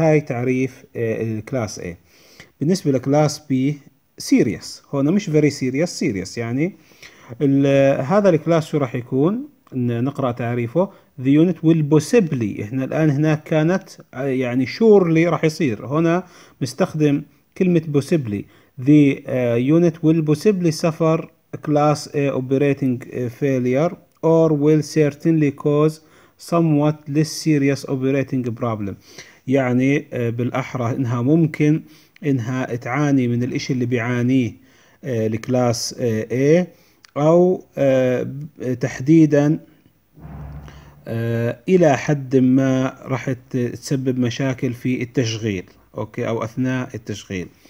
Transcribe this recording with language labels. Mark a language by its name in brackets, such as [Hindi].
[Arabic] هاي تعريف الكلاس A. بالنسبة لكلاس B سيريس، هون مش [English] very serious، [Arabic] سيريس يعني هذا الكلاس شو راح يكون؟ نقرأ تعريفه. [English] The unit will possibly، [Arabic] إحنا الآن هنا كانت يعني surely راح يصير، هنا مستخدم كلمة possibly. [English] The unit will possibly suffer class A operating failure or will certainly cause somewhat less serious operating problem. [Arabic] يعني بالأحرى إنها ممكن إنها تعاني من الإشي اللي بيعانيه الكلاس A، أو تحديدا إلى حد ما راح تسبب مشاكل في التشغيل، أوكي، أو أثناء التشغيل.